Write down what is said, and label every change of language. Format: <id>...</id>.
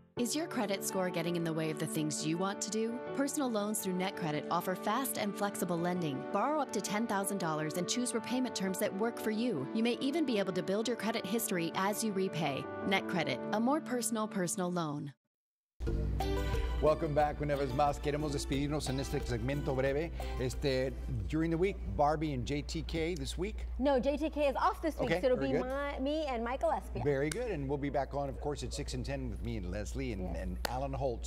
<en>Is your credit score getting in the way of the things you want to do? Personal loans through NetCredit offer fast and flexible lending. Borrow up to $10,000 and choose repayment terms that work for you. You may even be able to build your credit history as you repay. NetCredit, a more personal loan. Welcome back.</en> <es>Una vez más, queremos despedirnos en este segmento breve.</es> <en>During the week, Barbi and JTK this week? No, JTK is off this week, okay, so it'll be me and Michael Espia. Very good, and we'll be back on, of course, at 6 and 10 with me and Leslie and Alan Holt.</en>